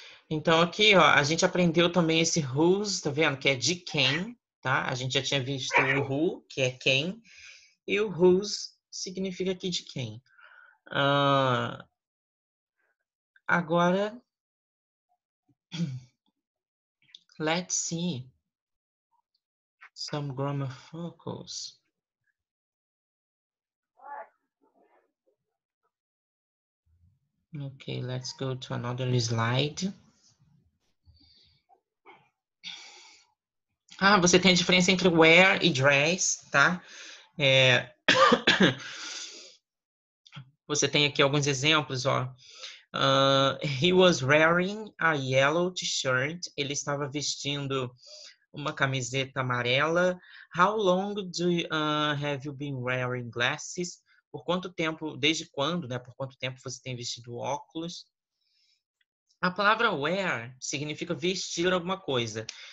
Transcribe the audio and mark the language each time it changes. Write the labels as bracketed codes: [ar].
[pt] Então aqui, ó, a gente aprendeu também esse whose, tá vendo? Que é de quem, tá? A gente já tinha visto o who, que é quem, e o whose significa aqui de quem. [en] Agora, let's see some grammar focus. Okay, let's go to another slide. [pt] Ah, você tem a diferença entre wear e dress, tá? Você tem aqui alguns exemplos, ó. [en] He was wearing a yellow t-shirt. [pt] Ele estava vestindo uma camiseta amarela. [en] How long do you, have you been wearing glasses? [pt] Por quanto tempo, desde quando, né? Por quanto tempo você tem vestido óculos? A palavra wear significa vestir alguma coisa.